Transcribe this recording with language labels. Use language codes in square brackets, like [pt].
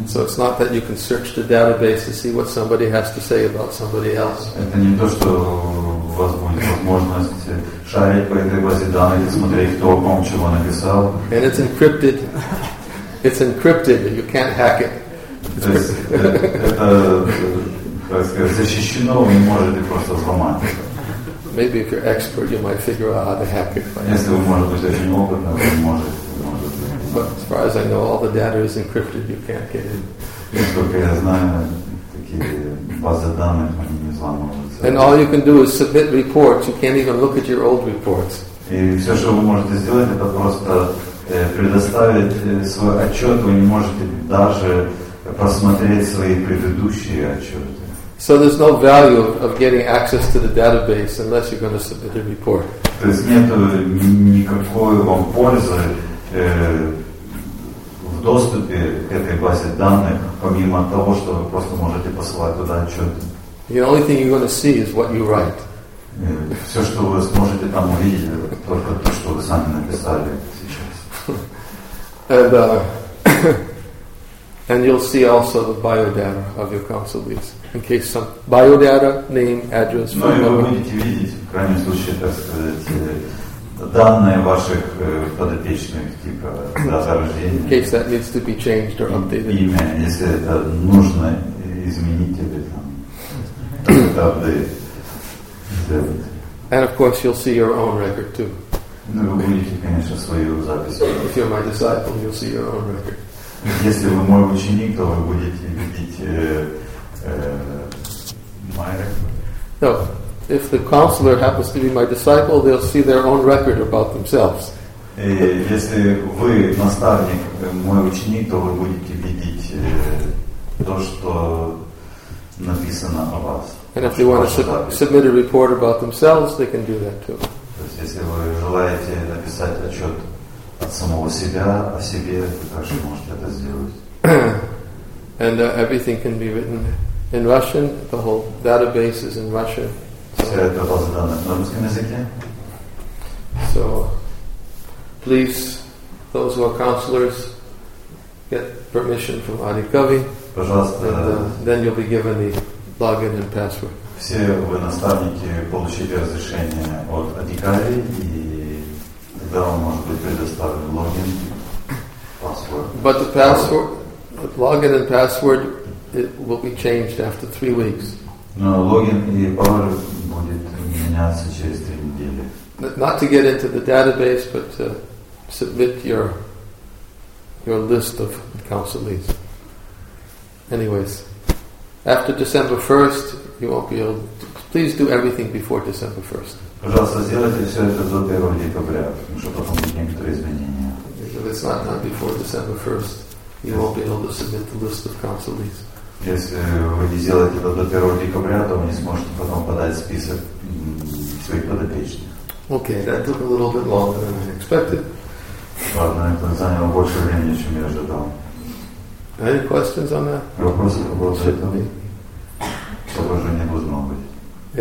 [en] So it's not that you can search the database to see what somebody has to say about somebody else. [ru] Это не то, что у вас будет возможность шарить по этой базе данных и смотреть, кто о ком чего написал. [en] And it's encrypted. It's encrypted. You can't hack it. [ru] То есть это, так сказать, защищено, вы не можете просто взломать это. [en] Maybe if you're expert, you might figure out how to hack it. [ru] Если вы, может быть, очень опытно, вы можете. [en] But as far as I know, all the data is encrypted. You can't get in. [ru] Насколько я знаю, такие базы данных, они не взламываются. [en] And all you can do is submit reports. You can't even look at your old reports. [ru] И все, что вы можете сделать, это просто предоставить свой отчет. Вы не можете даже просмотреть свои предыдущие отчеты. [en] So there's no value of getting access to the database unless you're going to submit a report. [ru] То есть нет никакой вам пользы в доступе к этой базе данных, помимо того, что вы просто можете посылать туда отчеты. [en] The only thing you're going to see is what you write. [ru] Все, что вы сможете там увидеть, только то, что вы сами написали сейчас. [en] And And you'll see also the biodata of your consulees, in case some biodata, name, address, phone number. [ru] Ну, вы будете видеть, в крайнем случае, так сказать, данные ваших подопечных, типа, дата рождения. [en] In case that needs to be changed or updated. [ru] Имя, если это нужно изменить или там, тогда [en] And of course, you'll see your own record, too. [ru] Ну, вы будете, конечно, свою запись. [en] If you're my disciple, you'll see your own record. [ru] Если вы мой ученик, то вы будете видеть [en] my record. No, if the counselor happens to be my disciple, they'll see their own record about themselves. [ru] Если вы наставник, мой ученик, то вы будете видеть то, что написано о вас. [en] And if they want to submit a report about themselves, they can do that too. [ru] То есть, если вы желаете написать отчет от самого себя, о себе, вы также можете это сделать. [en] And everything can be written in Russian. The whole database is in Russian. [ru] So, вся эта база данных на русском языке. [en] So, please, those who are counselors, get permission from Adikavi. [ru] Пожалуйста. [en] And, then you'll be given the login and password. [ru] Все вы наставники получите разрешение от Адикави и Да, он может быть предоставлен логин, паспорт. [en] But the password, login and password, it will be changed after 3 weeks. [ru] Но логин и пароль будет меняться через 3 недели. [en] Not to get into the database, but to submit your list of counselees. Anyways, after December 1st, you won't be able. Please do everything before December 1st. [ru] Пожалуйста, сделайте все это до 1 декабря, потому что потом будут некоторые изменения. [en] If it's not done before December 1st, you won't be able to submit the list of counselees. [ru] Если вы не сделаете это до 1 декабря, то вы не сможете потом подать список своих подопечных. [en] Okay, that took a little bit longer than I expected. [ru] Ладно, это заняло больше времени, чем я ожидал. [en] Any questions on that? [ru] Вопросы по поводу этого? Чтобы уже не должно быть.